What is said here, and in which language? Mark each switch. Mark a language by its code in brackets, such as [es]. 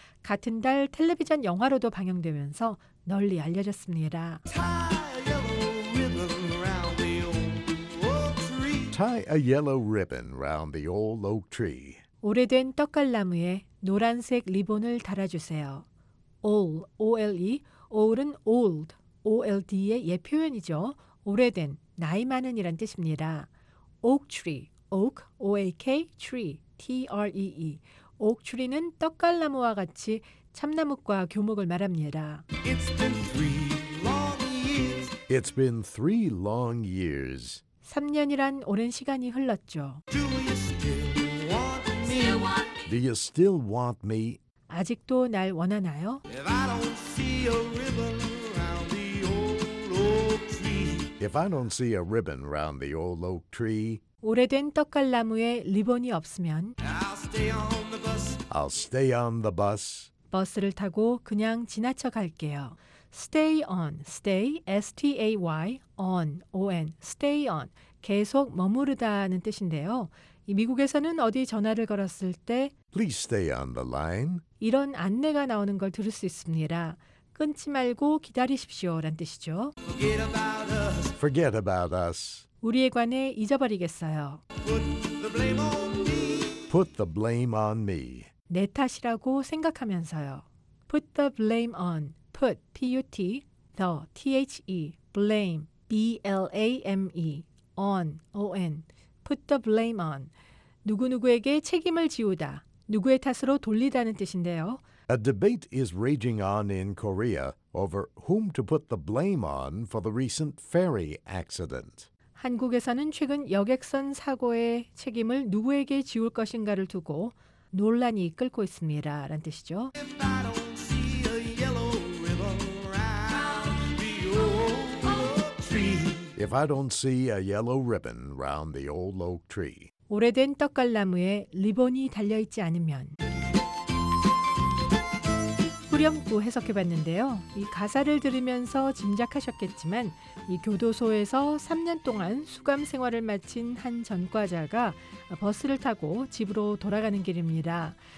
[ko] 같은 달 텔레비전 영화로도 방영되면서 널리 알려졌습니다. [en] Tie a yellow ribbon round the old oak tree. [ko] 오래된 떡갈나무에 노란색 리본을 달아주세요. Old, O-L-E, old은 old, O-L-D의 옛 표현이죠. 오래된, 나이 많은 이란 뜻입니다. [en] Oak tree, oak, O-A-K, tree, T-R-E-E. [ko] Oak tree는 떡갈나무와 같이 참나무과 교목을 말합니다. [en] It's been three long years. It's been three long years. [ko] 3년이란 오랜 시간이 흘렀죠. [en] Do you still want me? Still want me? Do you still want me? [ko] 아직도 날 원하나요? [en] If I don't see a ribbon round the old oak tree. If I don't see a ribbon round the old oak tree. [ko] 오래된 떡갈나무에 리본이 없으면 [en] I'll stay on the bus. [ko] 버스를 타고 그냥 지나쳐 갈게요. [en] Stay on, stay, S-T-A-Y, on, O-N, stay on, [ko] 계속 머무르다는 뜻인데요. 미국에서는 어디 전화를 걸었을 때 [en] Please stay on the line. [ko] 이런 안내가 나오는 걸 들을 수 있습니다. 끊지 말고 기다리십시오란 뜻이죠. [en] Forget about us. Forget about us. [ko] 우리에 관해 잊어버리겠어요. [en] Put the blame on me. Put the blame on me. [ko] 내 탓이라고 생각하면서요. [en] Put the blame on. Put, P-U-T, the, T-H-E, blame, B-L-A-M-E, on, O-N. Put the blame on. [ko] 누구누구에게 책임을 지우다, 누구의 탓으로 돌리다는 뜻인데요. [en] A debate is raging on in Korea over whom to put the blame on for the recent ferry accident. [ko] 한국에서는 최근 여객선 사고의 책임을 누구에게 지울 것인가를 두고 논란이 끌고 있습니다. 라는 뜻이죠. [en] If I don't see a yellow ribbon round the old oak tree. [ko] 오래된 떡갈나무에 리본이 달려있지 않으면 후렴구 해석해봤는데요. 이 가사를 들으면서 짐작하셨겠지만 이 교도소에서 3년 동안 수감 생활을 마친 한 전과자가 버스를 타고 집으로 돌아가는 길입니다.